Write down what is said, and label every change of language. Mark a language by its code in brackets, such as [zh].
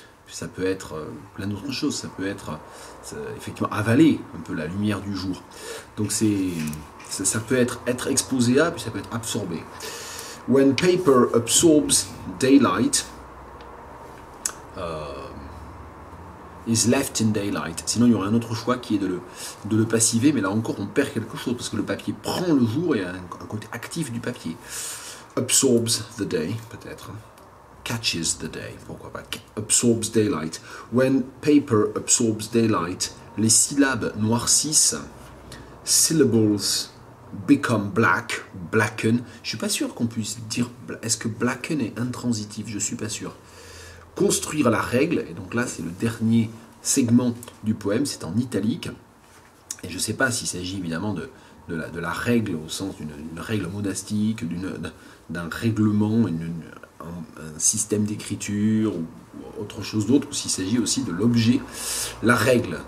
[fr] Puis ça peut être plein d'autres choses, ça peut être effectivement avaler un peu la lumière du jour. Donc ça peut être exposé à, puis ça peut être absorbé. [en] When paper absorbs daylight, is left in daylight. [fr] Sinon, il y aurait un autre choix qui est de le passiver, mais là encore, on perd quelque chose parce que le papier prend le jour et un côté actif du papier. [en] Absorbs the day, [fr] peut-être. [en] Catches the day, [fr] pourquoi pas. [en] Absorbs daylight. When paper absorbs daylight, [fr] les syllabes noircissent. [en] Syllables become black, blacken. [fr] Je suis pas sûr qu'on puisse dire, est-ce que blacken est intransitif? Je suis pas sûr. Construire la règle, et donc là c'est le dernier segment du poème, c'est en italique, et je sais pas s'il s'agit évidemment de la règle au sens d'une règle monastique, d'un règlement, un système d'écriture ou autre chose d'autre, ou s'il s'agit aussi de l'objet, la règle.